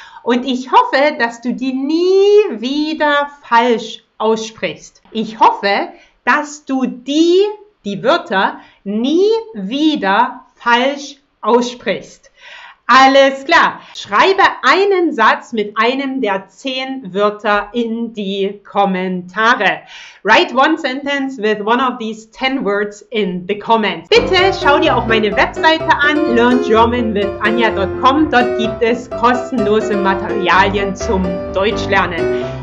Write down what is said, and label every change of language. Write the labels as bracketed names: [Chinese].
[German] Und ich hoffe, dass du die nie wieder falsch aussprichst. Ich hoffe, dass du die Wörter nie wieder falsch aussprichst. Alles klar. Schreibe einen Satz mit einem der 10 Wörter in die Kommentare. [English] Write one sentence with one of these 10 words in the comments. [German] Bitte schau dir auch meine Webseite an, learngermanwithanya.com. Dort gibt es kostenlose Materialien zum Deutschlernen.